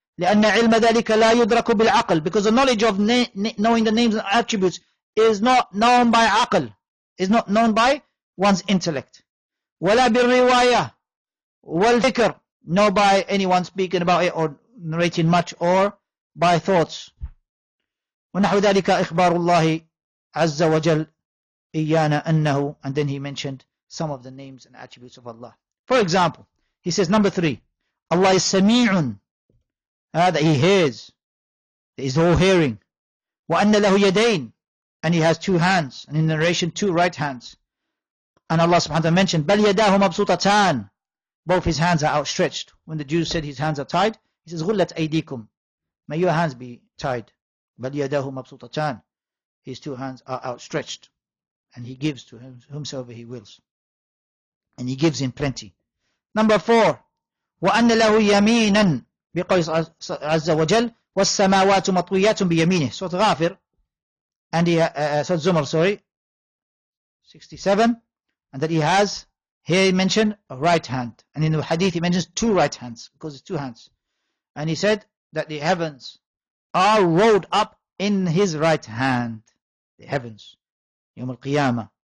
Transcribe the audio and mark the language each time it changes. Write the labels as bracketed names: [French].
[Arabic] لأن علم ذلك لا يدرك بالعقل. [English] Because the knowledge of knowing the names and attributes is not known by عقل, is not known by one's intellect. [Arabic] ولا بالرواية والذكر, [English] nor by anyone speaking about it or narrating much, or by thoughts. [Arabic] ونحو ذلك إخبار الله عز وجل إيانا أنه, [English] and then he mentioned some of the names and attributes of Allah. For example, he says number three, Allah is سميع, that he hears, that he's all hearing. [Arabic] وأن له يدين, [English] and he has two hands, and in narration two right hands. And Allah subhanahu wa ta'ala mentioned, [Arabic] بَلْ يَدَاهُ مَبْسُوطَتَانِ, [English] both his hands are outstretched. When the Jews said his hands are tied, he says, [Arabic] غُلَّتْ أَيْدِيكُمْ, [English] may your hands be tied. [Arabic] بَلْ يَدَاهُ مَبْسُوطَتَانِ, [English] his two hands are outstretched. And he gives to whomsoever he wills. And he gives in plenty. Number four, [Arabic] وَأَنَّ لَهُ يَمِينًا, بِقَوْلِ عَزَّ وَجَلْ, وَالسَّمَاوَاتُ مَطْوِيَّاتٌ بِيَمِينِهِ. [English] So Ghafir, and he, Zumar, 67, and that he has, here he mentioned a right hand, and in the hadith he mentions two right hands, because it's two hands, and he said that the heavens are rolled up in his right hand, the heavens, يوم القيامة.